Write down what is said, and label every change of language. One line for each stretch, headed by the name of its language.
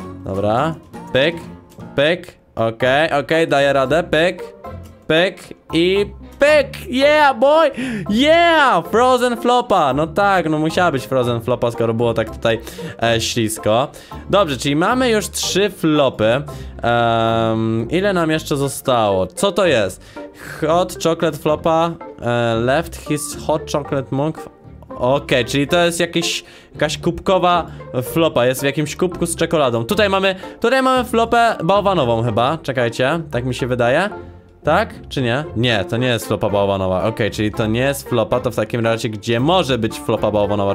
Polish: Dobra, pyk, pyk, okej, daję radę, pyk, pyk i pyk,
English: yeah boy, yeah,
Polish: frozen flopa. No tak, no musiała być frozen flopa, skoro było tak tutaj ślisko. Dobrze, czyli mamy już 3 flopy. Ile nam jeszcze zostało? Co to jest?
English: Hot chocolate flopa left his hot chocolate mug.
Polish: Okej, czyli to jest jakaś kubkowa flopa, jest w jakimś kubku z czekoladą. Tutaj mamy flopę bałwanową chyba, czekajcie, tak mi się wydaje. Tak? Czy nie? Nie, to nie jest flopa bałwanowa. Okej, czyli to nie jest flopa, to w takim razie gdzie może być flopa bałwanowa?